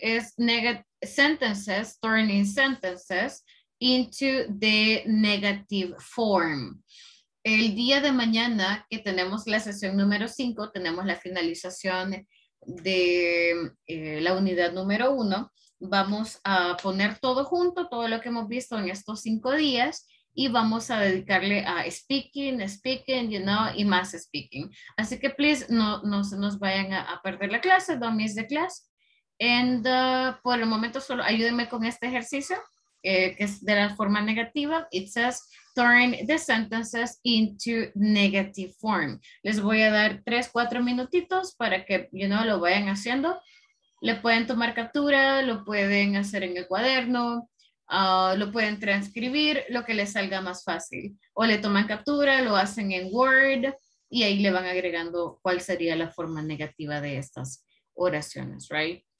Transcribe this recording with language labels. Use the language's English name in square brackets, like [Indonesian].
[English] Es negative sentences, turning sentences into the negative form. [Spanish] El día de mañana que tenemos la sesión número 5, tenemos la finalización de la unidad número 1. Vamos a poner todo junto, todo lo que hemos visto en estos 5 días y vamos a dedicarle a speaking, you know, y más speaking. Así que, please, no se nos vayan a perder la clase, [English] don't miss the class. [Spanish] And por el momento, solo ayúdenme con este ejercicio, que es de la forma negativa. [English] It says, turn the sentences into negative form. [Spanish] Les voy a dar 3-4 minutitos para que, you know, lo vayan haciendo. Le pueden tomar captura, lo pueden hacer en el cuaderno, lo pueden transcribir, lo que les salga más fácil. O le toman captura, lo hacen en Word y ahí le van agregando cuál sería la forma negativa de estas oraciones, right?